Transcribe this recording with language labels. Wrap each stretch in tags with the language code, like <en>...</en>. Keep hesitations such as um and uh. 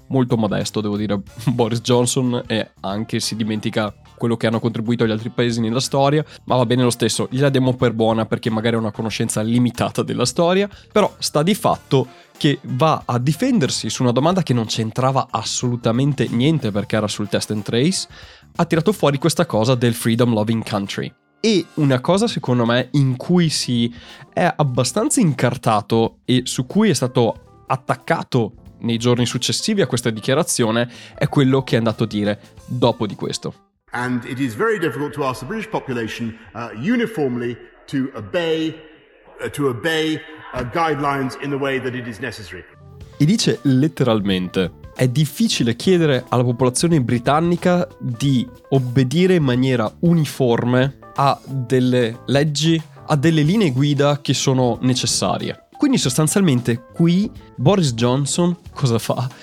<it>Molto modesto, devo dire, Boris Johnson e anche si dimentica quello che hanno contribuito gli altri paesi nella storia, ma va bene lo stesso, gliela diamo per buona perché magari ha una conoscenza limitata della storia, però sta di fatto che va a difendersi su una domanda che non c'entrava assolutamente niente perché era sul test and trace, ha tirato fuori questa cosa del freedom loving country. E una cosa secondo me in cui si è abbastanza incartato e su cui è stato attaccato nei giorni successivi a questa dichiarazione è quello che è andato a dire dopo di questo.</it> <en>And it is very difficult to ask the British population uh, uniformly to obey, uh, to obey uh, guidelines in the way that is necessary.</en> <it>E dice letteralmente: è difficile chiedere alla popolazione britannica di obbedire in maniera uniforme a delle leggi, a delle linee guida che sono necessarie. Quindi sostanzialmente qui Boris Johnson cosa fa?</it>